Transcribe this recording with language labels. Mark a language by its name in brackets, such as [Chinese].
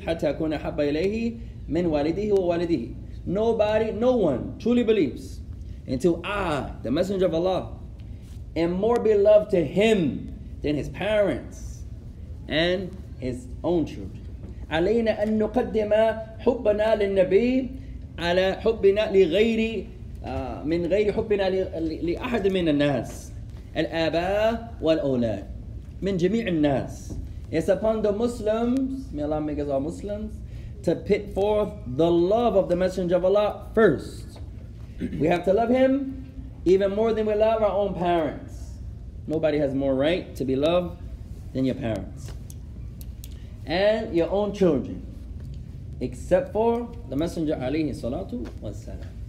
[Arabic] حتى يكون أحب إليه من والده ووالده. [English] Nobody, no one truly believes until I, the Messenger of Allah, am more beloved to him than his parents and his own children. [Arabic] علينا أن نقدم حبنا للنبي على حبنا لغير من غير حبنا لأحد من الناس الآباء والأولاد من جميع الناس. [English] It's upon the Muslims, may Allah make us all Muslims, to put forth the love of the Messenger of Allah first. We have to love him even more than we love our own parents. Nobody has more right to be loved than your parents and your own children, except for the Messenger alayhi salatu wasalam.